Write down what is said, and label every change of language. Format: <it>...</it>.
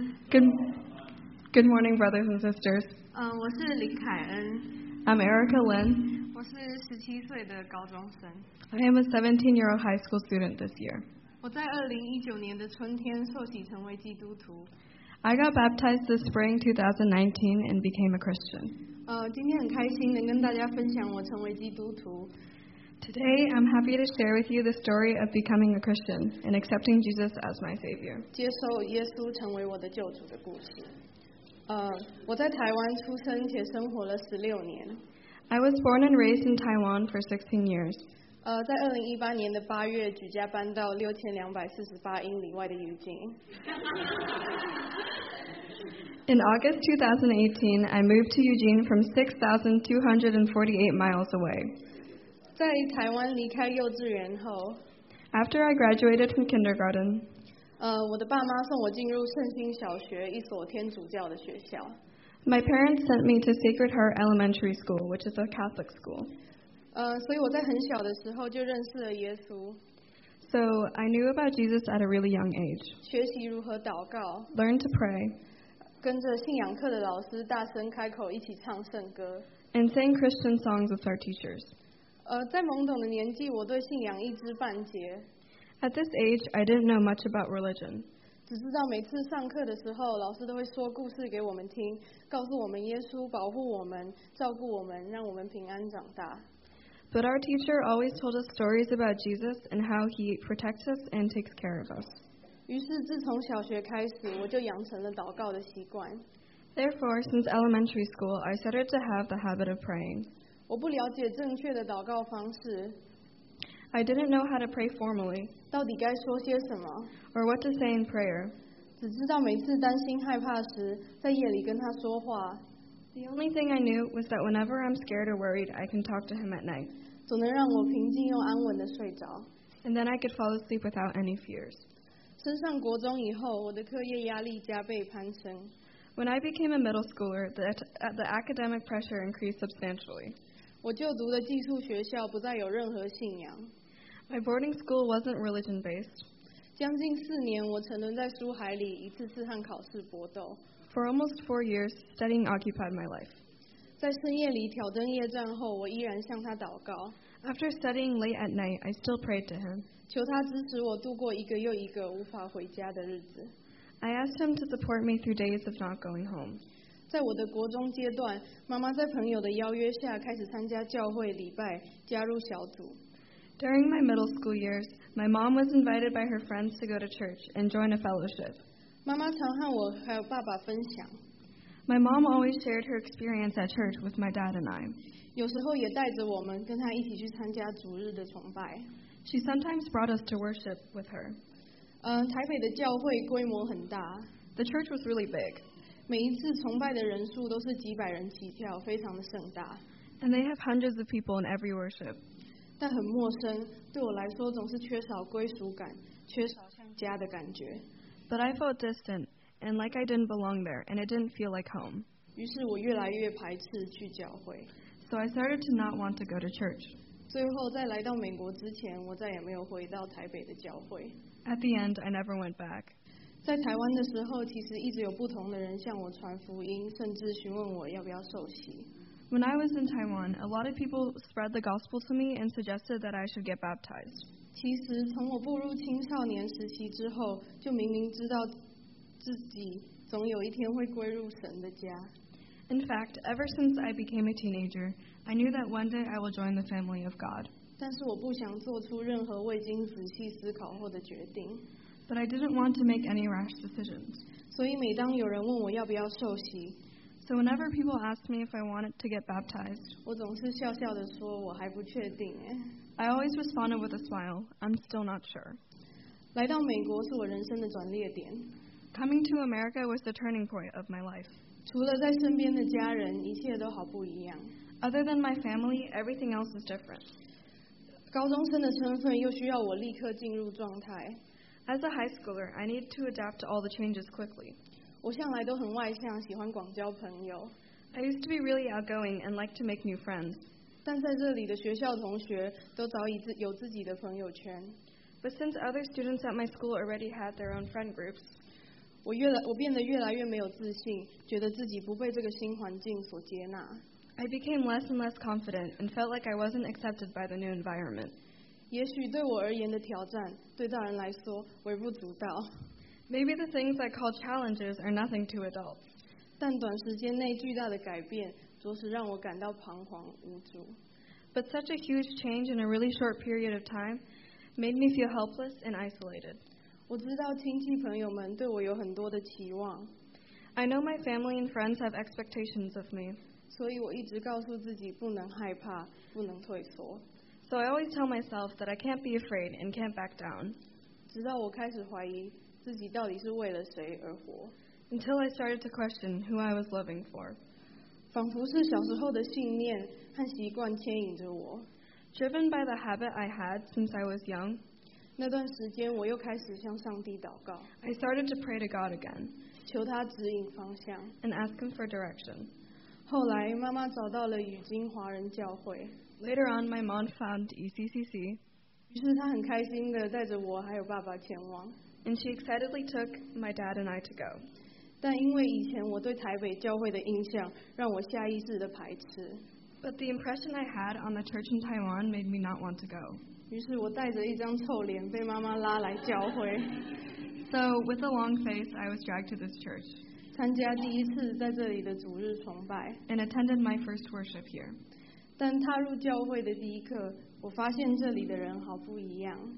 <en>Good morning, brothers and sisters. I'm Lin Kai-en. I'm Erica Lin.</en> <zh>我是17岁的高中生。</zh> <en>I am a 17-year-old high school student this year.</en> <zh>我在2019年的春天受洗成为基督徒。</zh> <en>I got baptized this spring 2019 and became a Christian.</en> <zh>今天很开心能跟大家分享我成为基督徒。</zh> <en>Today, I'm happy to share with you the story of becoming a Christian and accepting Jesus as my Savior.</en> <zh>接受耶稣成为我的救主的故事。我在台湾出生且生活了16年。</zh> <en>I was born and raised in Taiwan for 16 years.</en> <zh>在2018年的8月举家搬到6248英里外的余境。</zh> <en>In August 2018, I moved to Eugene from 6248 miles away.</en> <zh>在台湾离开幼稚园后</zh> <en>After I graduated from kindergarten,</en> <zh>我的爸妈送我进入圣心小学，一所天主教的学校。</zh> <en>My parents sent me to Sacred Heart Elementary School, which is a Catholic school.</en> <zh>所以我在很小的时候就认识了耶稣。</zh> <en>So I knew about Jesus at a really young age.</en> <zh>学习如何祷告。</zh> <en>Learn to pray.</en> <zh>跟着信仰课的老师大声开口一起唱圣歌。</zh> <en>And sang Christian songs with our teachers.</en> <zh>在懵懂的年纪，我对信仰一知半解。</zh> <en>At this age, I didn't know much about religion.</en> <zh>只知道每次上课的时候，老师都会说故事给我们听，告诉我们耶稣保护我们，照顾我们，让我们平安长大。</zh> <en>But our teacher always told us stories about Jesus and how he protects us and takes care of us.</en> <zh>于是自从小学开始，我就养成了祷告的习惯。</zh> <en>Therefore, since elementary school, I started to have the habit of praying.</en> <zh>我不了解正确的祷告方式。</zh> <en>I didn't know how to pray formally,</en> <zh>到底该说些什么?</zh> <en>or what to say in prayer.</en> <zh>只知道每次担心害怕时，在夜里跟他说话。</zh> <en>The only thing I knew was that whenever I'm scared or worried, I can talk to him at night.</en> <zh>总能让我平静又安稳地睡着。</zh> <en>And then I could fall asleep without any fears.</en> <zh>升上国中以后，我的课业压力加倍攀升。</zh> <en>When I became a middle schooler, the academic pressure increased substantially.</en> <zh>我就读的寄宿学校不再有任何信仰。</zh> <en>My boarding school wasn't religion based.</en> <zh>将近四年，我沉沦在书海里，一次次和考试搏斗。</zh> <en>For almost 4 years, studying occupied my life.</en> <zh>在深夜里挑灯夜战后，我依然向他祷告。</zh> <en>After studying late at night, I still prayed to him.</en> <zh>求他支持我度过一个又一个无法回家的日子。</zh> <en>I asked him to support me through days of not going home.</en> <zh>在我的国中阶段，妈妈在朋友的邀约下开始参加教会礼拜，加入小组。</zh> <en>During my middle school years, my mom was invited by her friends to go to church and join a fellowship.</en> <zh>妈妈常和我还有爸爸分享。</zh> <en>My mom always shared her experience at church with my dad and I.</en> <zh>有时候也带着我们跟她一起去参加主日的崇拜。</zh> <en>She sometimes brought us to worship with her.</en> <zh>台北的教会规模很大。</zh> <en>The church was really big.</en> <zh>每一次崇拜的人数都是几百人起跳，非常的盛大。</zh> <en>And they have hundreds of people in every worship.</en> <zh>但很陌生，对我来说总是缺少归属感，缺少像家的感觉。</zh> <en>But I felt distant, and like I didn't belong there, and it didn't feel like home.</en> <zh>于是我越来越排斥去教会。</zh> <en>So I started to not want to go to church.</en> <zh>最后在来到美国之前，我再也没有回到台北的教会。</zh> <en>At the end, I never went back.</en> <zh>在台湾的时候，其实一直有不同的人向我传福音，甚至询问我要不要受洗。</zh> <en>When I was in Taiwan, a lot of people spread the gospel to me and suggested that I should get baptized.</en> <zh>其实从我步入青少年时期之后，就明明知道自己总有一天会归入神的家。</zh> <en>In fact, ever since I became a teenager, I knew that one day I will join the family of God.</en> <zh>但是我不想做出任何未经仔细思考后的决定。</zh> <en>But I didn't want to make any rash decisions.</en> <zh>所以每当有人问我要不要受洗，</zh> <en>So whenever people asked me if I wanted to get baptized,</en> <zh>我总是笑笑地说我还不确定耶。</zh> <en>I always responded with a smile, I'm still not sure.</en> <zh>来到美国是我人生的转捩点。</zh> <en>Coming to America was the turning point of my life.</en> <zh>除了在身边的家人，一切都好不一样。</zh> <en>Other than my family, everything else is different.</en> <zh>高中生的身份又需要我立刻进入状态。</zh> <en>As a high schooler, I need to adapt to all the changes quickly.</en> <zh>我向来都很外向，喜欢广交朋友。</zh> <en>I used to be really outgoing and like to make new friends.</en> <zh>但在这里的学校同学都早已有自己的朋友圈。</zh> <en>But since other students at my school already had their own friend groups,</en> <zh>我变得越来越没有自信，觉得自己不被这个新环境所接纳。</zh> <en>I became less and less confident and felt like I wasn't accepted by the new environment.</en> <zh>也许对我而言的挑战，对大人来说微不足道。</zh> <en>Maybe the things I call challenges are nothing to adults.</en> <zh>但短时间内巨大的改变，着实让我感到彷徨无助。</zh> <en>But such a huge change in a really short period of time made me feel helpless and isolated.</en> <zh>我知道亲戚朋友们对我有很多的期望。</zh> <en>I know my family and friends have expectations of me.</en> <zh>所以我一直告诉自己不能害怕，不能退缩。</zh> <en>So I always tell myself that I can't be afraid and can't back down.</en> <zh>直到我开始怀疑自己到底是为了谁而活。</zh> <en>Until I started to question who I was living for.</en> <zh>仿佛是小时候的信念和习惯牵引着我。</zh> <en>Driven by the habit I had since I was young.</en> <zh>那段时间我又开始向上帝祷告。</zh> <en>I started to pray to God again.</en> <zh>求他指引方向。</zh> <en>And ask him for direction.</en> <zh>后来，妈妈找到了雨津华人教会。</zh> <en>Later on, my mom found ECCC.</en> <zh>于是她很开心地带着我还有爸爸前往。</zh> <en>And she excitedly took my dad and I to go.</en> <zh>但因为以前我对台北教会的印象，让我下意识地排斥。</zh> <en>But the impression I had on the church in Taiwan made me not want to go.</en> <zh>于是我带着一张臭脸被妈妈拉来教会。</zh> <en>So with a long face, I was dragged to this church.</en> <zh>参加第一次在这里的主日崇拜</zh> <en>and attended my first worship here.</en> <zh>但踏入教会的第一刻，我发现这里的人好不一样。</zh>